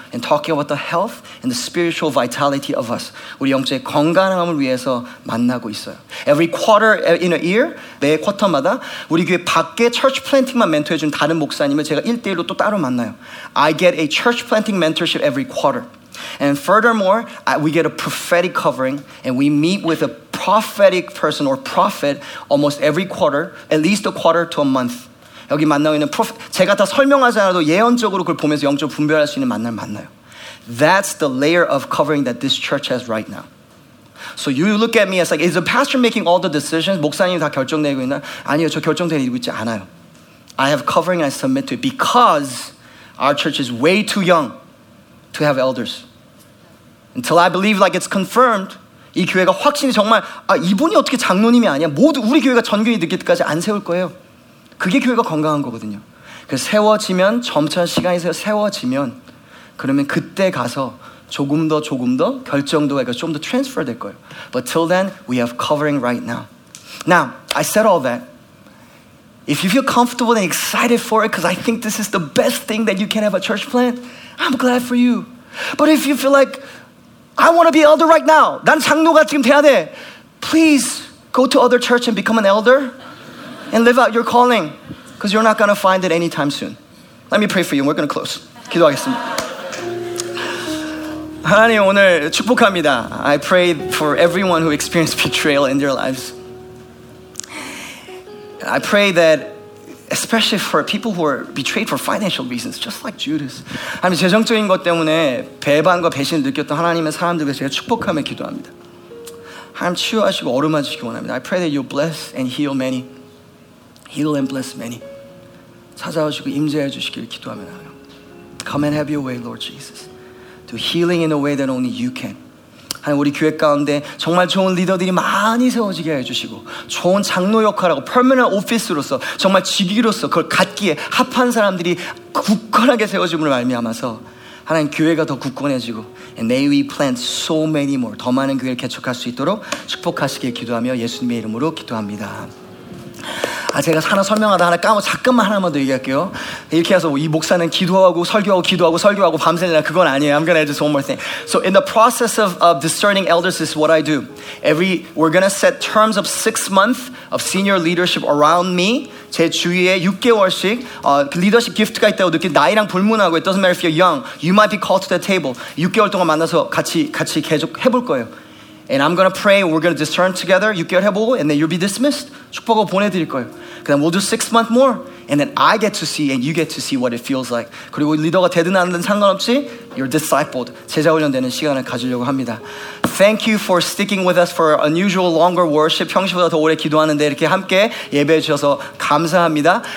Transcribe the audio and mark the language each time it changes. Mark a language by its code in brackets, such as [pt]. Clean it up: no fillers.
[en] And talking about the health and the spiritual vitality of us. [ko] 우리 영적의 건강함을 위해서 만나고 있어요. [en] Every quarter in a year, [ko] 매 쿼터마다 우리 교회 밖에 church planting만 멘토해 준 다른 목사님을 제가 1대1로 또 따로 만나요. [en] I get a church planting mentorship every quarter. And furthermore, we get a prophetic covering and we meet with a prophetic person or prophet almost every quarter, at least a quarter to a month. [ko] 여기 만나고 있는 프로 제가 다 설명하지 않아도 예언적으로 그걸 보면서 영적 분별할 수 있는 만남을 만나요. [en] That's the layer of covering that this church has right now. So you look at me as like, is the pastor making all the decisions? [ko] 목사님이 다 결정되고 있나? 아니요, 저 결정되고 있지 않아요. [en] I have covering and I submit to it because our church is way too young to have elders. Until I believe like it's confirmed, [ko] 이 교회가 확신이 정말 아 이분이 어떻게 장로님이 아니야? 모두 우리 교회가 전교인이 될 때까지 안 세울 거예요. 그게 교회가 건강한 거거든요. 그래서 세워지면 점차 시간이 세워지면 그러면 그때 가서 조금 더 결정도가 좀 더 트랜스퍼 될 거예요. [en] But till then, we have covering right now. Now, I said all that. If you feel comfortable and excited for it because I think this is the best thing that you can have a church plant, I'm glad for you. But if you feel like, I want to be elder right now, [ko] 난 장로가 지금 돼야 돼. [en] Please, go to other church and become an elder. And live out your calling, because you're not going to find it anytime soon. Let me pray for you, and we're going to close. [ko] 기도하겠습니다. 하나님, 오늘 축복합니다. [en] I pray for everyone who experienced betrayal in their lives. I pray that, especially for people who are betrayed for financial reasons, just like Judas. [ko] 하나님, 재정적인 것 때문에 배반과 배신을 느꼈던 하나님의 사람들을 제가 축복하며 기도합니다. 하나님, 치유하시고 어루만지시기 원합니다. [en] I pray that you'll bless and heal many. Heal and bless many. [ko] 찾아오시고 임재해 주시길 기도합니다. [en] Come and have your way, Lord Jesus. Do healing in a way that only you can. [ko] 하나님 우리 교회 가운데 정말 좋은 리더들이 많이 세워지게 해주시고 좋은 장로 역할하고 permanent office로서 정말 직위로서 그걸 갖기에 합한 사람들이 굳건하게 세워짐을 말미암아서 하나님 교회가 더 굳건해지고 [en] and may we plant so many more [ko] 더 많은 교회를 개척할 수 있도록 축복하시길 기도하며 예수님의 이름으로 기도합니다. 아 제가 하나 설명하다 하나 까먹 잠깐만 하나만 더 얘기할게요. 이렇게 해서 이 목사는 기도하고 설교하고 기도하고 설교하고 밤새느라 그건 아니에요. [en] I'm gonna just one more thing. So in the process of discerning elders is what I do. Every we're gonna set terms of 6 months of senior leadership around me. [ko] 제 주위에 6개월씩 리더십 기프트가 있다고 느낀 나이랑 불문하고 [en] it doesn't matter if you're young. You might be called to the table. [ko] 6개월 동안 만나서 같이 계속 해볼 거예요. [en] And I'm going to pray, we're going to discern together, [ko] 6개월 해보고, [en] and then you'll be dismissed. [ko] 축복하고 보내드릴 거예요. [en] Then we'll do 6 months more, and then I get to see, and you get to see what it feels like. [ko] 그리고 리더가 되든 안 되든 상관없이, [en] you're discipled. [ko] 제자 훈련되는 시간을 가지려고 합니다. [en] Thank you for sticking with us for unusual longer worship. [ko] 평시보다 더 오래 기도하는데 이렇게 함께 예배해 주셔서 감사합니다.